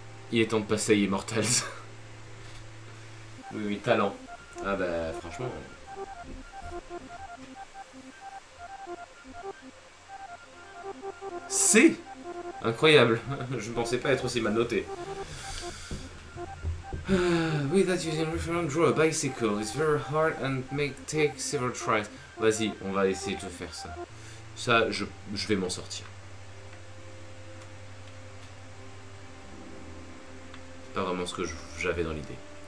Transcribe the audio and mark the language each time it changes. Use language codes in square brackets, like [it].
[fr] Il est temps de passer à Immortals. Oui, talent. Ah bah franchement. C'est incroyable. Je ne pensais pas être aussi mal noté. [en] With that using reference, draw a bicycle. It's very hard and may take several tries. [fr] Vas-y, on va essayer de faire ça. Ça, je vais m'en sortir. C'est pas vraiment ce que j'avais dans l'idée.